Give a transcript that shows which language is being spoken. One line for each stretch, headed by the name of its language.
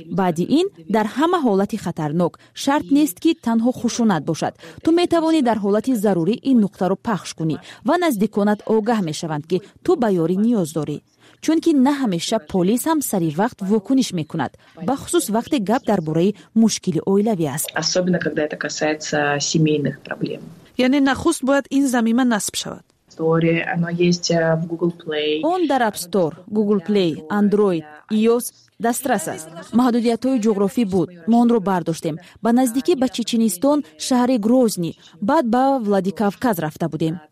Persian: بعد این در همه حالت خطرناک، شرط نیست که تنها خشونت باشد. تو میتوانی در حالت ضروری این نقطه را پخش کنی و نزدیکانت آگاه میشوند که تو به یاری نیاز داری. چونکه نه همیشه پلیس هم سری وقت واکنش میکند، بخصوص وقتی گپ درباره مشکل اویلوی است.
Russian: особенно когда это касается семейных проблем.
Persian: یعنی نخست باید این زمینه نصب شود. اون در اپ استور، گوگل پلی، اندروید، iOS دسترس است. محدودیت های جغرافی بود. ما اون رو برداشتیم. با نزدیکی به چچنستان، شهر گروزنی، بعد به ولادیکافکاز رفته بودیم.